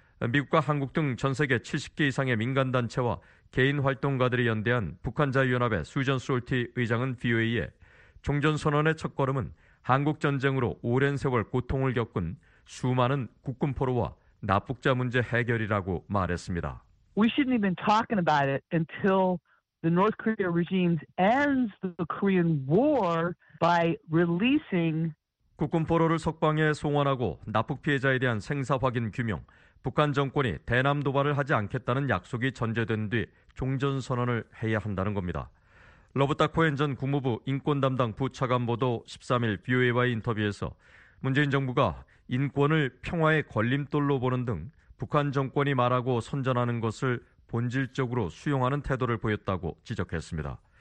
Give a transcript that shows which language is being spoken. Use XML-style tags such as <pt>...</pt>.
<ko>미국과 한국 등 전 세계 70개 이상의 민간단체와 개인활동가들이 연대한 북한자유연합의 수전 솔티 의장은 VOA에 종전선언의 첫걸음은 한국전쟁으로 오랜 세월 고통을 겪은 수많은 국군포로와 납북자 문제 해결이라고 말했습니다.</ko> <en>We shouldn't even talking about it until the North Korea regime ends the Korean War by releasing</en> <ko>국군포로를 석방해 송환하고 납북 피해자에 대한 생사 확인 규명, 북한 정권이 대남 도발을 하지 않겠다는 약속이 전제된 뒤 종전선언을 해야 한다는 겁니다. 로버타 코엔 전 국무부 인권담당 부차관보도 13일 BOA와의 인터뷰에서 문재인 정부가 인권을 평화의 걸림돌로 보는 등 북한 정권이 말하고 선전하는 것을 본질적으로 수용하는 태도를 보였다고 지적했습니다.</ko>